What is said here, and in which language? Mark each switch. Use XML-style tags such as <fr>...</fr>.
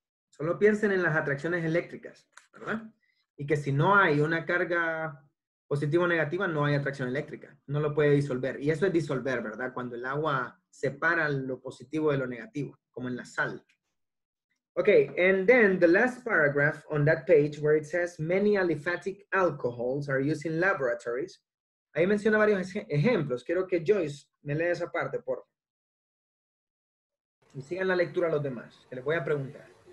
<es>Solo piensen en las atracciones eléctricas, ¿verdad? Y que si no hay una carga positiva o negativa, no hay atracción eléctrica. No lo puede disolver. Y eso es disolver, ¿verdad? Cuando el agua separa lo positivo de lo negativo, como en la sal.</es> <en>Okay, and then the last paragraph on that page where it says many aliphatic alcohols are used in laboratories.</en> <es>Ahí menciona varios ejemplos. Quiero que Joyce me lea esa parte, por favor. Y sigan la lectura a los demás, que les voy a preguntar.</es>